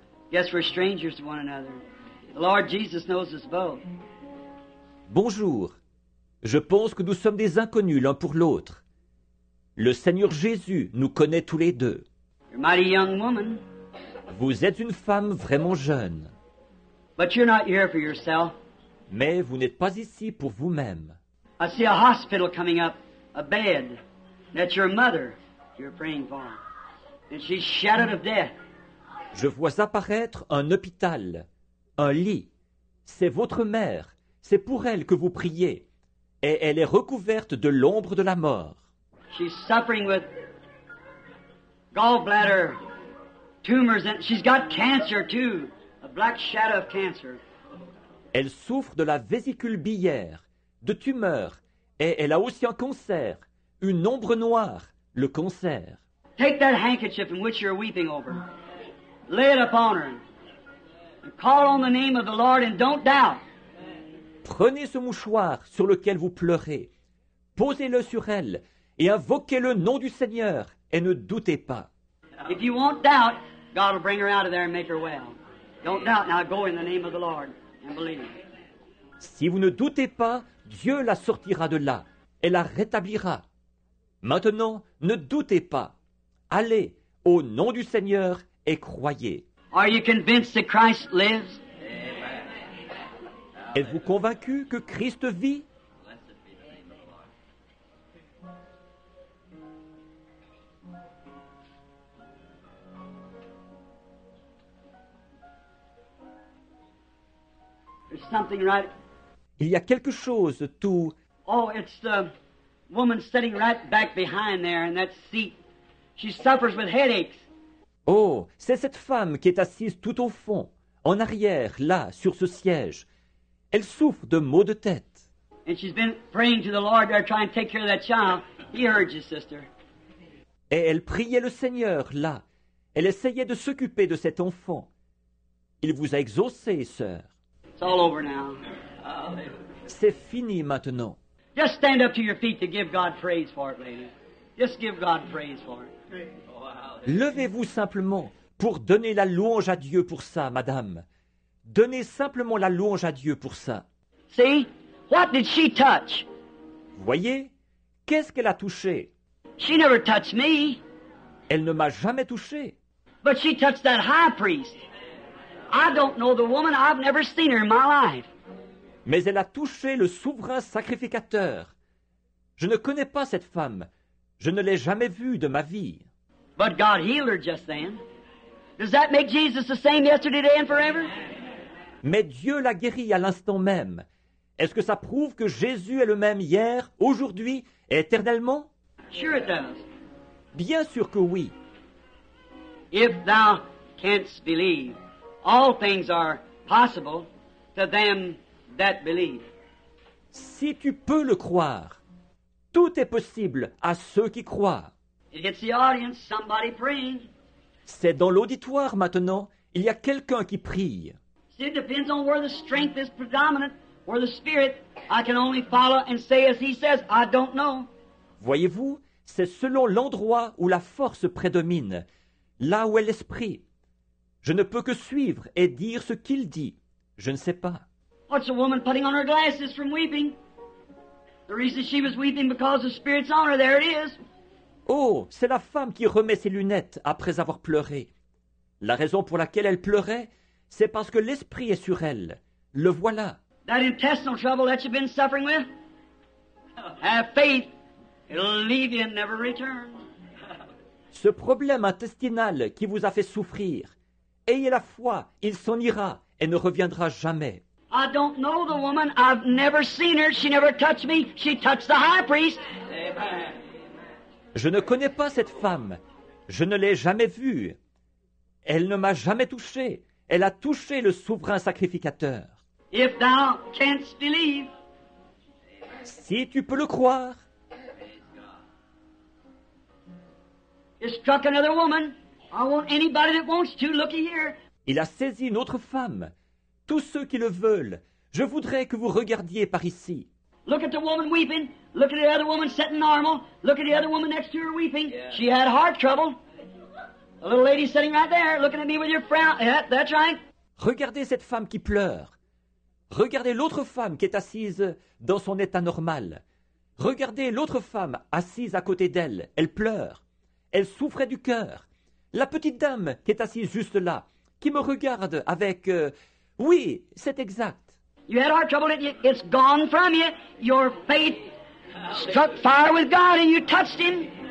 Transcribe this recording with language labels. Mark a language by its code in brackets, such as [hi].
[en] Guess we're strangers to one another. The Lord Jesus knows us both. [fr] Bonjour. Je pense que nous sommes des inconnus l'un pour l'autre. Le Seigneur Jésus nous connaît tous les deux. [en] You're a mighty young woman. [fr] Vous êtes une femme vraiment jeune. [en] But you're not here for yourself. [fr] Mais vous n'êtes pas ici pour vous-même. [en] I see a hospital coming up, a bed. That's your mother you're praying for. And she's shattered of death. [fr] Je vois apparaître un hôpital, un lit. C'est votre mère. C'est pour elle que vous priez. Et elle est recouverte de l'ombre de la mort. [en] She's suffering with gallbladder tumors. And she's got cancer too. A black shadow of cancer. [fr] Elle souffre de la vésicule biliaire, de tumeurs, et elle a aussi un cancer, une ombre noire, le cancer. [en] Take that handkerchief in which you're weeping over. Lay it upon her. And call on the name of the Lord and don't doubt. [fr] Prenez ce mouchoir sur lequel vous pleurez. Posez-le sur elle et invoquez le nom du Seigneur et ne doutez pas. [en] If you won't doubt, God will bring her out of there and make her well. Don't doubt, now go in the name of the Lord and believe. [fr] Si vous ne doutez pas, Dieu la sortira de là et la rétablira. Maintenant, ne doutez pas. Allez au nom du Seigneur et croyez. [en] Are you convinced that Christ lives? Amen. [fr] Êtes-vous convaincu que Christ vit? [en] Something right. [fr] Il y a quelque chose tout. [en] Oh, it's the woman sitting right back behind there in that seat. She suffers with headaches. [fr] Oh, c'est cette femme qui est assise tout au fond, en arrière, là, sur ce siège. Elle souffre de maux de tête. [en] And she's been praying to the Lord there trying to take care of that child. He heard you, sister. [fr] Et elle priait le Seigneur là. Elle essayait de s'occuper de cet enfant. Il vous a exaucé, sœur. [en] It's all over now. [fr] C'est fini maintenant. [en] Just stand up to your feet to give God praise for it, lady. Just give God praise for it. [fr] Levez-vous simplement pour donner la louange à Dieu pour ça, madame. Donnez simplement la louange à Dieu pour ça. [en] See? What did she touch? [fr] Voyez? Qu'est-ce qu'elle a touché? [en] She never touched me. [fr] Elle ne m'a jamais touché. [en] But she touched that high priest. I don't know the woman, I've never seen her in my life. [fr] Mais elle a touché le souverain sacrificateur. Je ne connais pas cette femme. Je ne l'ai jamais vue de ma vie. [en] But God healed her just then. Does that make Jesus the same yesterday, today, and forever? [fr] Mais Dieu l'a guéri à l'instant même. Est-ce que ça prouve que Jésus est le même hier, aujourd'hui et éternellement? [en] Sure it does. [fr] Bien sûr que oui. [en] If thou canst believe, all things are possible to them that believe. [fr] Si tu peux le croire, tout est possible à ceux qui croient. [en] It's the audience, somebody praying. [fr] C'est dans l'auditoire maintenant, il y a quelqu'un qui prie. [en] See, it depends on where the strength is predominant, where the spirit, I can only follow and say as he says, I don't know. [fr] Voyez-vous, c'est selon l'endroit où la force prédomine, là où est l'esprit. Je ne peux que suivre et dire ce qu'il dit. Je ne sais pas. [en] What's a woman putting on her glasses from weeping? The reason she was weeping because the spirit's on her, there it is. [fr] Oh, c'est la femme qui remet ses lunettes après avoir pleuré. La raison pour laquelle elle pleurait, c'est parce que l'esprit est sur elle. Le voilà. [en] That intestinal trouble that you've been suffering with? Have faith. It'll leave you and never return. [fr] Ce problème intestinal qui vous a fait souffrir, ayez la foi, il s'en ira et ne reviendra jamais. [en] I don't know the woman. I've never seen her. She never touched me. She touched the high priest. Amen. [fr] Je ne connais pas cette femme. Je ne l'ai jamais vue. Elle ne m'a jamais touché. Elle a touché le souverain sacrificateur. [en] If thou canst believe. [fr] Si tu peux le croire. [en] He struck another woman. I want anybody that wants to, looky here. [fr] Il a saisi une autre femme. Tous ceux qui le veulent, je voudrais que vous regardiez par ici. [en] Look at the woman weeping. Look at the other woman sitting normal. Look at the other woman next to her weeping. Yeah. She had heart trouble. A little lady sitting right there, looking at me with your frown. Yeah, that's right. [fr] Regardez cette femme qui pleure. Regardez l'autre femme qui est assise dans son état normal. Regardez l'autre femme assise à côté d'elle. Elle pleure. Elle souffrait du cœur. La petite dame qui est assise juste là, qui me regarde avec... Oui, c'est exact. [en] You had heart trouble, it's gone from you. Your faith struck fire with God and you touched him.